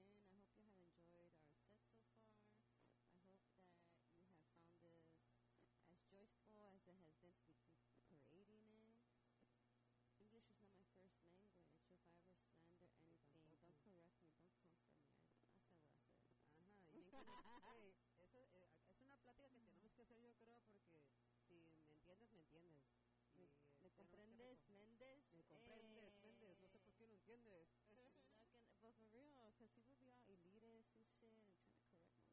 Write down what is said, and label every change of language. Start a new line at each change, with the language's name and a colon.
English: I hope you have enjoyed our set so far. I hope that you have found this as joyful as it has been to be creating it. English is not my first language. If I ever slander anything, don't correct me, don't come for me. I said what I said.
Spanish: Ajá, y bien que es una plática que tenemos que hacer, yo creo, porque si me entiendes, me entiendes. ¿Me comprendes, Méndez? Me comprendes, Méndez. No sé por qué no entiendes.
English: But for real, because people be all elitist and shit and trying to correct motherfuckers.